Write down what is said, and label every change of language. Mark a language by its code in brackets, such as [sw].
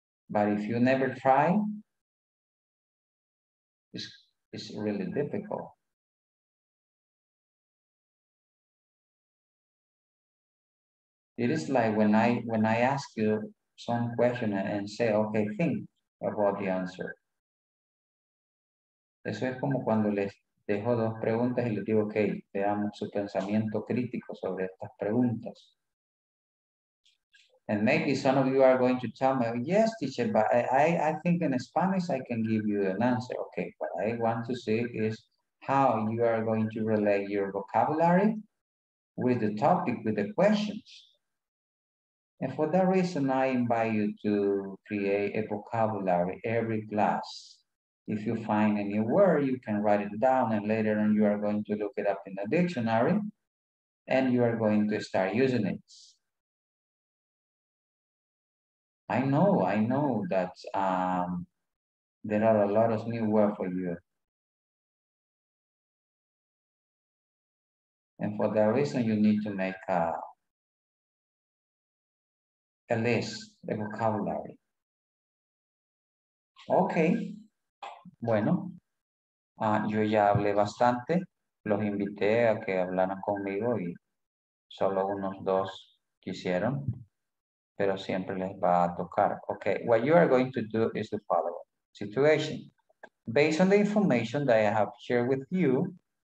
[en] But if you never try, it's really difficult. It is like when I ask you some question and say, okay, think about the answer. [es] Eso es como cuando les dejo dos preguntas y les digo, ok, veamos su pensamiento crítico sobre estas preguntas. [en] And maybe some of you are going to tell me, yes, teacher, but I think in Spanish I can give you an answer. Okay, what I want to see is how you are going to relate your vocabulary with the topic, with the questions. And for that reason, I invite you to create a vocabulary every class. If you find a new word, you can write it down and later on you are going to look it up in the dictionary and you are going to start using it. I know that there are a lot of new words for you. And for that reason, you need to make a list, a vocabulary. Okay. [es] Bueno, yo ya hablé bastante, los invité a que hablaran conmigo y solo unos dos quisieron, pero siempre les va a tocar. [en] Okay, what you are going to do is the following situation. Based on the information that I have shared with you,